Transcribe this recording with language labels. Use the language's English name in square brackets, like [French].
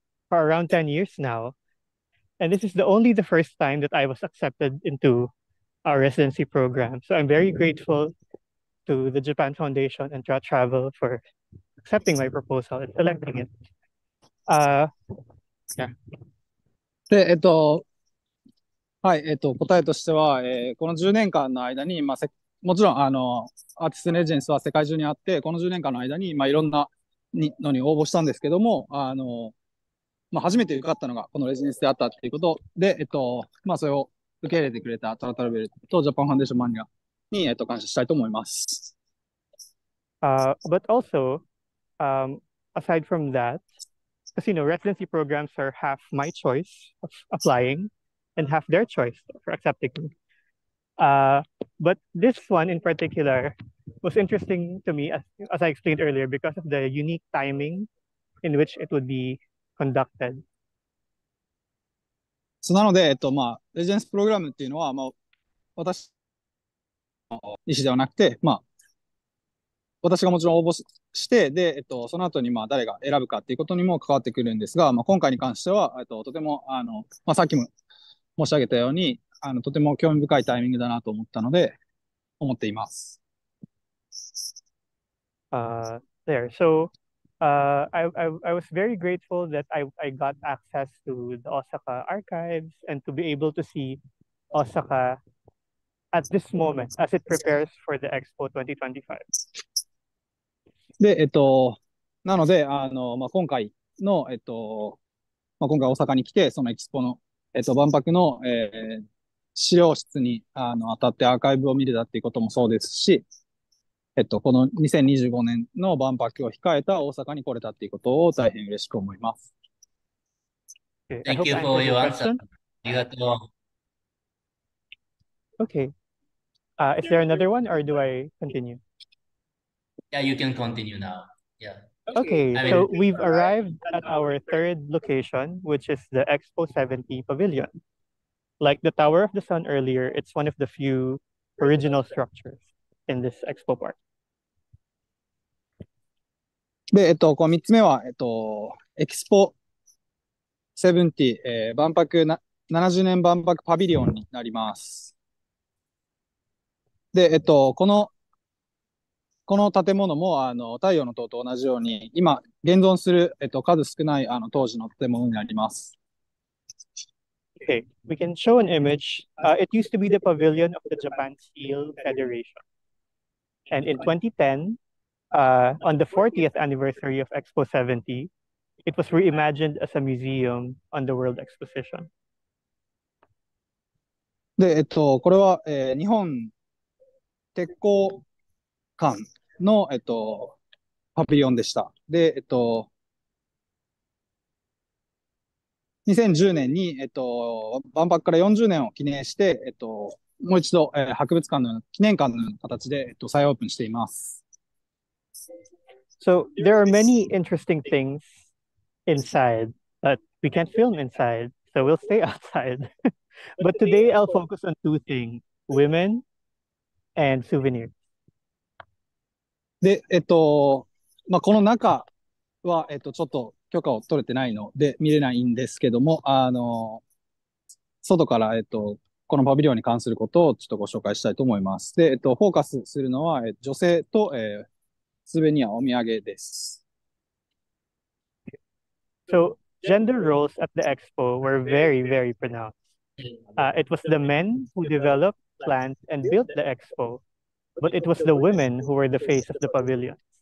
[English] for around 10 years now. And this is the first time that I was accepted into our residency program. So I'm very grateful to the Japan Foundation and Draw Travel for accepting my proposal and selecting it. [Japanese] はい、答えとしては、この10年間の間に、まあ、もちろん、アーティストのエージェンスは世界中にあって、この10年間の間に、まあ、いろんなにのに応募したんですけども、まあ、初めて受かったのが、このレジデンスであったっていうことで、まあ、それを受け入れてくれたトラトラベルとジャパンファンデーションマニアに、感謝したいと思います。 [English] But also, aside from that, because, you know, residency programs are half my choice of applying. And have their choice for accepting me. But this one in particular was interesting to me, as I explained earlier, because of the unique timing in which it would be conducted. [Japanese] So, なので、まあ、レジデンスプログラムっていうのは、まあ、私の意思ではなくて、まあ、私がもちろん応募して、で、その後に、まあ、誰が選ぶかっていうことにも関わってくるんですが、まあ、今回に関しては、とても、まあ、さっきも申し上げたように、とても興味深いタイミングだなと思ったので、思っています。 [English] There. So, I was very grateful that I got access to the Osaka archives and to be able to see Osaka at this moment as it prepares for the Expo 2025. [Japanese] で、なので、まあ、今回の、まあ、今回大阪に来て、そのエキスポの万博の、資料室に当たってアーカイブを見れたっていうこともそうですし、この2025年の万博を控えた大阪に来れたっていうことを大変嬉しく思います。 [English] Thank you for your answer. [Japanese] ありがとう。 [English] Okay. Is there another one or do I continue? Yeah, you can continue now. Yeah. Okay, so we've arrived at our third location, which is the Expo 70 Pavilion. Like the Tower of the Sun earlier, it's one of the few original structures in this Expo Park. [Japanese] で、この3つ目は、Expo 70、万博な、70年万博パビリオンになります。で、この建物も太陽の塔と同じように今現存する、数少ない当時の建物になります。 [English] Okay, we can show an image. It used to be the pavilion of the Japan Steel Federation. And in 2010, on the 40th anniversary of Expo 70, it was reimagined as a museum on the World Exposition. [Japanese] で、これは、日本鉄鋼館。の、パビリオンでした。で、2010年に、万博から40年を記念して、もう一度、博物館の記念館の形で、再オープンしています。 [English] So, there are many interesting things inside, but we can't film inside, so we'll stay outside. But today, I'll focus on two things, women and souvenirs. [Japanese] で、まあ、この中は、ちょっと許可を取れてないので見れないんですけども、外から、このパビリオンに関することをちょっとご紹介したいと思います。で、フォーカスするのは、女性と、スベニアお土産です。 [English] So, gender roles at the expo were very, very pronounced. It was the men who developed, planned, and built the expo. But it was the women who were the face of the pavilion.